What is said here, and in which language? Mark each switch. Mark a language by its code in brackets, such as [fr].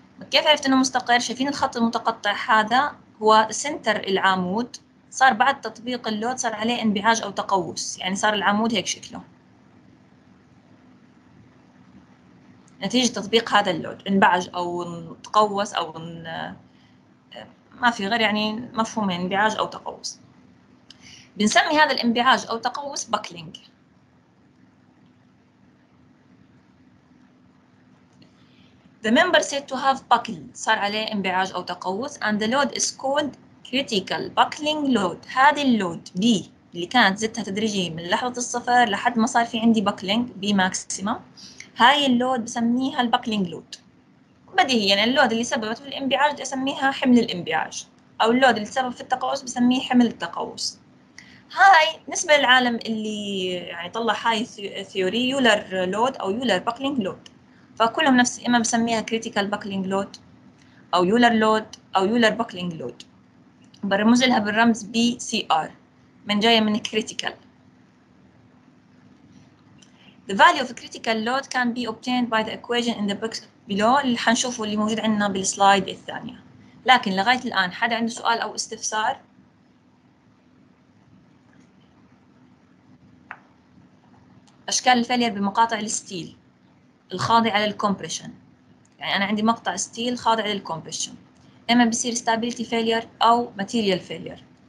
[ar] كيف عرفت انه مستقر؟ شايفين الخط المتقطع هذا هو سنتر العمود، صار بعد تطبيق اللود صار عليه انبعاج او تقوس، يعني صار العمود هيك شكله نتيجة تطبيق هذا اللود، انبعج او تقوس او ما في غير يعني مفهومين، انبعاج او تقوس. بنسمي هذا الانبعاج او تقوس باكلينج. [en] The member said to have buckled. [ar] صار عليه انبعاج او تقوس. [en] And the load is called critical buckling load. [ar] هذه اللود B اللي كانت زدتها تدريجيا من لحظة الصفر لحد ما صار في عندي buckling B maximum. هاي اللود بسميها الباكلينج لود. بديهي يعني اللود اللي سببت في الانبعاج بسميها حمل الانبعاج، او اللود اللي سبب في التقوس بسميه حمل التقوس. هاي نسبة للعالم اللي يعني طلع هاي ثيوري يولر لود او يولر باكلينج لود. فكلهم نفس، اما بسميها كريتيكال باكلينج لود او يولر لود او يولر باكلينج لود. برمز لها بالرمز بي سي ار، من جاية من كريتيكال. [en] The value of critical load can be obtained by the equation in the book below [ar] اللي حنشوفه اللي موجود عندنا بالسلايد الثانية. لكن لغاية الآن حد عنده سؤال أو استفسار؟ أشكال الفيلير بمقاطع الستيل الخاضع للكمبريشن، يعني أنا عندي مقطع ستيل خاضع للكمبريشن، إما بيصير stability failure أو material failure.